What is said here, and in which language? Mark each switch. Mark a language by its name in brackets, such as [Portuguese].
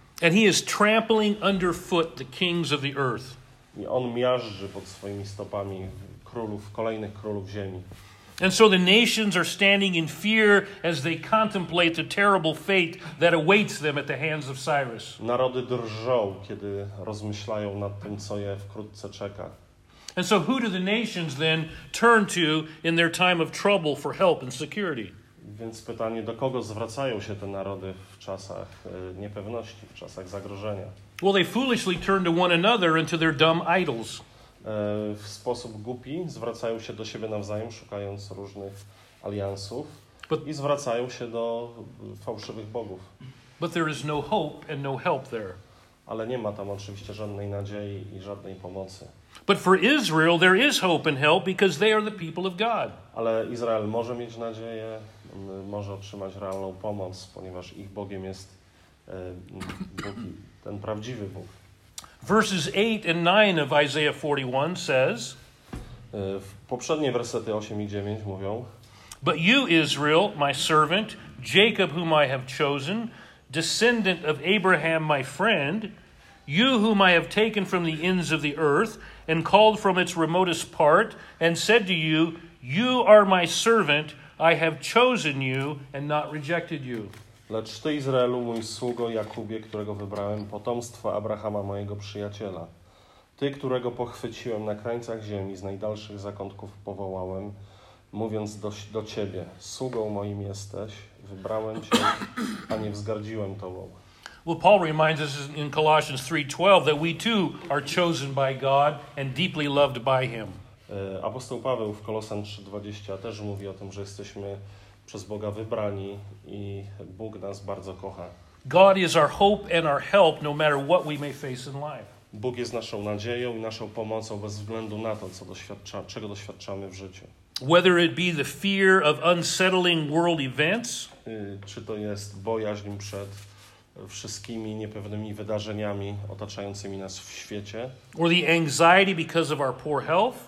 [English] And he is trampling underfoot the kings of the earth. [Polish] I on miażdży pod swoimi stopami królów, kolejnych królów ziemi. [English] And so the nations are standing in fear as they contemplate the terrible fate that awaits them at the hands of Cyrus. [Polish] Narody drżą, kiedy rozmyślają nad tym, co je wkrótce czeka. [English] And so who do the nations then turn to in their time of trouble for help and security? [Polish] Więc pytanie, do kogo zwracają się te narody w czasach niepewności, w czasach zagrożenia? [English] Well, they foolishly turn to one another and to their dumb idols. [Polish] W sposób głupi zwracają się do siebie nawzajem, szukając różnych aliansów i zwracają się do fałszywych bogów. [English] But there is no hope and no help there. [Polish] Ale nie ma tam oczywiście żadnej nadziei i żadnej pomocy. [English] But for Israel there is hope and help because they are the people of God. [Polish] Ale Izrael może mieć nadzieję, może otrzymać realną pomoc, ponieważ ich Bogiem jest Bóg, ten prawdziwy Bóg. [English] Verses 8 and 9 of Isaiah 41 says, [Polish] poprzednie wersety 8 i 9 mówią, [English] but you, Israel, my servant, Jacob, whom I have chosen, descendant of Abraham, my friend, you, whom I have taken from the ends of the earth and called from its remotest part and said to you, you are my servant, I have chosen you and not rejected you. [Polish] Lecz ty, Izraelu, mój sługo Jakubie, którego wybrałem, potomstwo Abrahama, mojego przyjaciela. Ty, którego pochwyciłem na krańcach ziemi, z najdalszych zakątków powołałem, mówiąc do ciebie, sługą moim jesteś, wybrałem cię, a nie wzgardziłem tobą. [English] Well, Paul reminds us in Colossians 3:12 that we too are chosen by God and deeply loved by him. [Polish] Apostoł Paweł w Kolosan 3:20 też mówi o tym, że jesteśmy przez Boga wybrani i Bóg nas bardzo kocha. [English] God is our hope and our help no matter what we may face in life. [Polish] Bóg jest naszą nadzieją i naszą pomocą bez względu na to, czego doświadczamy w życiu. [English] Whether it be the fear of unsettling world events, [Polish] czy to jest bojaźń przed wszystkimi niepewnymi wydarzeniami otaczającymi nas w świecie, [English] or the anxiety because of our poor health,